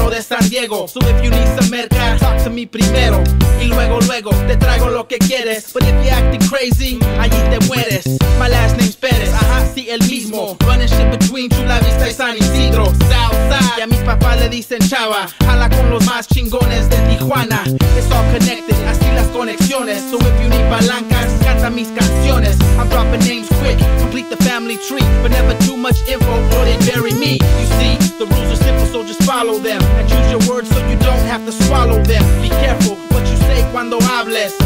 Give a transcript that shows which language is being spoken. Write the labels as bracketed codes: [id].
[en] San Diego. So if you need some merca, talk to me [es] primero. Y luego, luego, te traigo lo que quieres. [en] But if you're acting crazy, [es] allí te mueres. [en] My last name's Perez, [es] ajá, sí, el mismo. [en] Running shit between Chula Vista [es] y San Isidro. [en] Southside, [es] y a mis papás le dicen chava. Jala con los más chingones de Tijuana. [en] It's all connected, [es] así las conexiones. [en] So if you need palancas, canta mis canciones. I'm dropping names quick, complete the family tree. But never too much info, or they bury me. You see, the rules are simple, so just follow them. Use your words so you don't have to swallow them. Be careful what you say [es] cuando hables.